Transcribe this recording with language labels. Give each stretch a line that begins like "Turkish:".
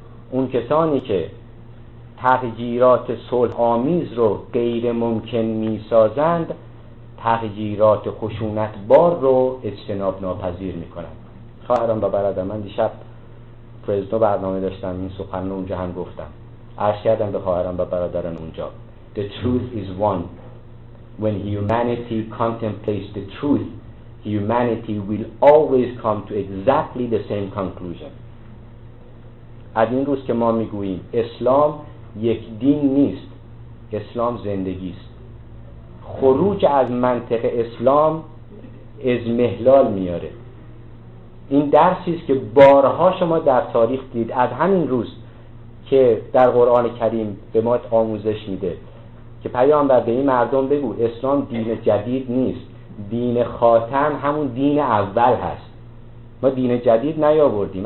Persian: اون کسانی که تغییرات صلح‌آمیز رو غیر ممکن می‌سازند، تغییرات خشونت‌بار رو اجتناب ناپذیر می‌کنند. خواهران و برادران، من دیشب فرزنو برنامه داشتم، این سخن رو اونجا هم گفتم، عرض کردم به خواهران و برادران اونجا:
English: The truth is one. When humanity contemplates the truth, humanity will always come to exactly the same conclusion.
Persian: از این روز که ما میگوییم اسلام یک دین نیست، اسلام زندگی است، خروج از منطق اسلام اضمحلال میاره. این درسی است که بارها شما در تاریخ دید، از همین روز که در قرآن کریم به ما آموزش میده که پیامبر به این مردم بگو اسلام دین جدید نیست، دین خاتم همون دین اول هست، ما دین جدید نیاوردیم.